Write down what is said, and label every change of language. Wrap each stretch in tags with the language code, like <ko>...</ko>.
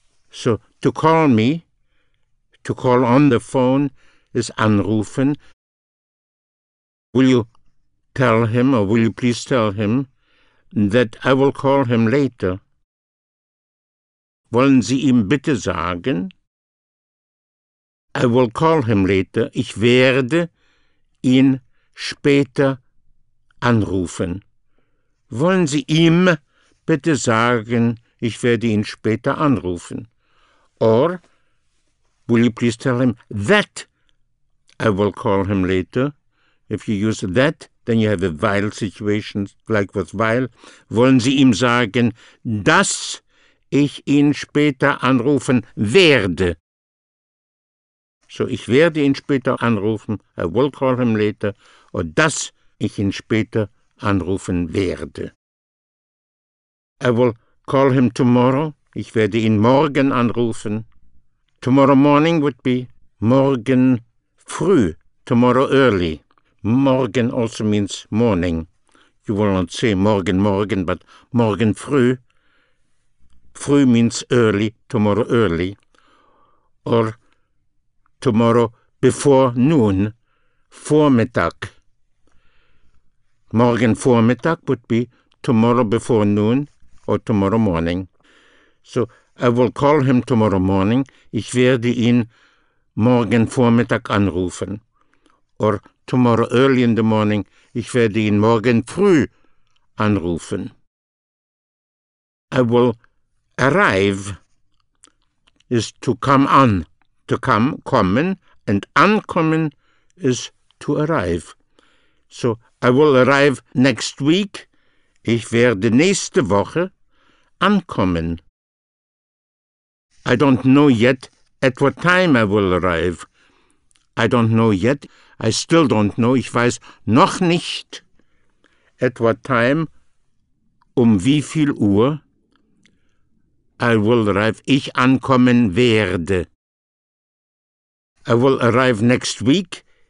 <en>So, to call me, to call on the phone, is anrufen. Will you tell him, or will you please tell him, that I will call him later?</en> <de>Wollen Sie ihm bitte sagen?</de> <en>I will call him later.</en> <de>Ich werde ihn später anrufen. Wollen Sie ihm bitte sagen, ich werde ihn später anrufen?</de> <en>Or, will you please tell him that I will call him later? If you use that, then you have a while situation, like with while.</en> <de>Wollen Sie ihm sagen, dass ich ihn später anrufen werde? So, ich werde ihn später anrufen,</de> <en>I will call him later, or</en> <de>dass ich ihn später anrufen werde.</de> <en>I will call him tomorrow,</en> <de>ich werde ihn morgen anrufen.</de> <en>Tomorrow morning would be morgen früh, tomorrow early. Morgen also means morning. You will not say morgen morgen, but morgen früh. Früh means early, tomorrow early. Or tomorrow before noon, vormittag. Morgen vormittag would be tomorrow before noon or tomorrow morning. So, I will call him tomorrow morning.</en> <de>Ich werde ihn morgen vormittag anrufen.</de> <en>Or tomorrow early in the morning.</en> <de>Ich werde ihn morgen früh anrufen.</de> <en>I will arrive is to come on. To come, kommen, and ankommen is to arrive. So, I will arrive next week.</en> <de>Ich werde nächste Woche ankommen.</de> <en>I don't know yet at what time I will arrive. I don't know yet. I still don't know.</en> <de>Ich weiß noch nicht</de> <en>at what time,</en> <de>um wie viel Uhr</de> <en>I will arrive.</en> <de>Ich ankommen werde.</de> <en>I will arrive next week.</en>